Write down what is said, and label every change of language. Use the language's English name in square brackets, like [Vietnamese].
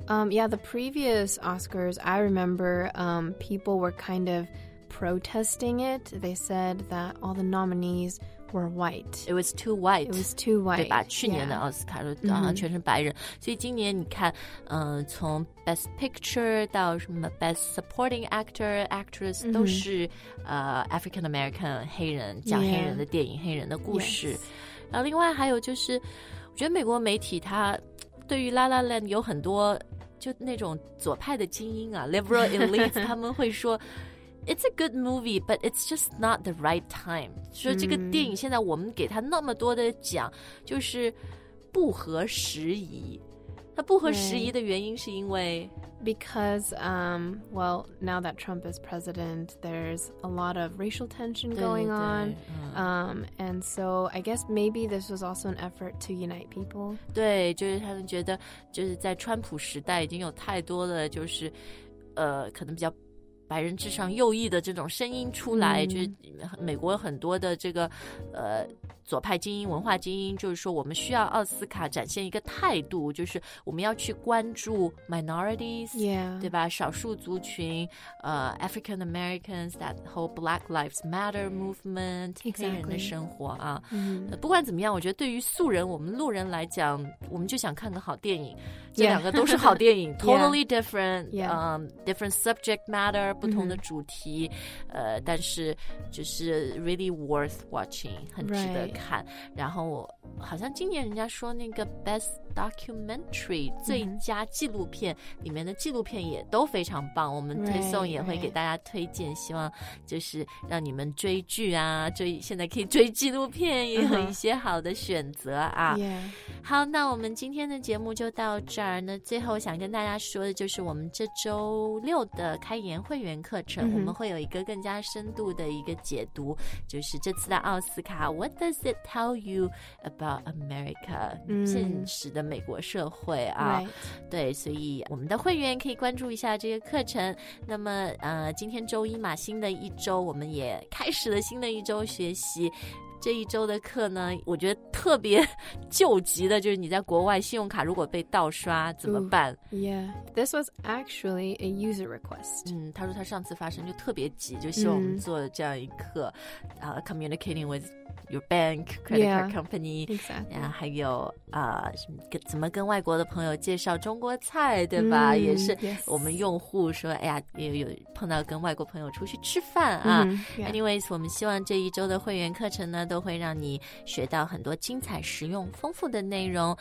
[English] Yeah, the previous Oscars, I remember people were kind of protesting it. They said that all the nominees were white. It was too white. It was too white. [Chinese] 对吧?去年的奥斯卡都好像全是白人。Mm-hmm. 所以今年你看, 从 Best Picture 到什么 Best Supporting Actor, Actress, mm-hmm. 都是, African American, 黑人, 讲黑人的电影, [English] yeah. [Chinese] 黑人的故事。 [English] Yes. [Chinese] 然后另外还有就是, 我觉得美国媒体, 它对于La La Land 有很多, 就那种左派的精英啊, Liberal Elite, 他们会说, [English] It's a good movie, but it's just not the right time. [Chinese] 说这个电影现在我们给它那么多的奖, 就是不合时宜。它不合时宜的原因是因为 [English] Because, well, now that Trump is president, there's a lot of racial tension going [Chinese] 对对, [English] on. And so I guess maybe this was also an effort to unite people. [Chinese] 对，就是他们觉得就是在川普时代已经有太多的就是可能比较 白人至上右翼的这种声音出来, mm. 就是美国很多的这个左派精英文化精英, 就是说我们需要奥斯卡展现一个态度, 就是我们要去关注 minorities, [English] yeah. [Chinese] 对吧, 少数族群, [English] African Americans, that whole Black Lives Matter movement, exactly. [Chinese] 黑人的生活, mm. 不管怎么样, 我觉得对于素人, 我们路人来讲, 我们就想看个好电影, [English] yeah. [Chinese] 这两个都是好电影, totally [English] yeah. different, yeah. Different subject matter, [Chinese] 不同的主题, [English] mm-hmm. [Chinese] 但是就是 [English] really worth watching, [Chinese] 很值得看。 [English] Right. [Chinese] 然后好像今年人家说那个 best documentary, mm-hmm. 最佳纪录片, 里面的纪录片也都非常棒, 我们推送也会给大家推荐, [English] right, [Chinese] 希望就是让你们追剧啊, 现在可以追纪录片, 也有一些好的选择啊。 [English] Yeah. [Chinese] 好，那我们今天的节目就到这儿。那最后想跟大家说的就是我们这周六的开言会员课程，我们会有一个更加深度的一个解读，就是这次的奥斯卡 [English] What does it tell you about America、mm. [Chinese] 现实的美国社会啊、 [English] right. [Chinese] 对所以我们的会员可以关注一下这个课程那么、今天周一嘛新的一周我们也开始了新的一周学习这一周的课呢我觉得特别救急的就是你在国外信用卡如果被盗刷怎么办 [English] Ooh, Yeah, this was actually a user request、 [Chinese] 嗯、他说他上次发生就特别急就希望我们做这样一课、mm. [English] Communicating with your bank, credit yeah, card company Exactly [Chinese] 然后还有、怎么跟外国的朋友介绍中国菜对吧、 mm, 也是我们用户说、 [English] yes. [Chinese] 哎呀也有碰到跟外国朋友出去吃饭啊、 [English] mm, yeah. [Chinese] Anyways, 我们希望这一周的会员课程呢都会让你学到很多精彩实用丰富的内容、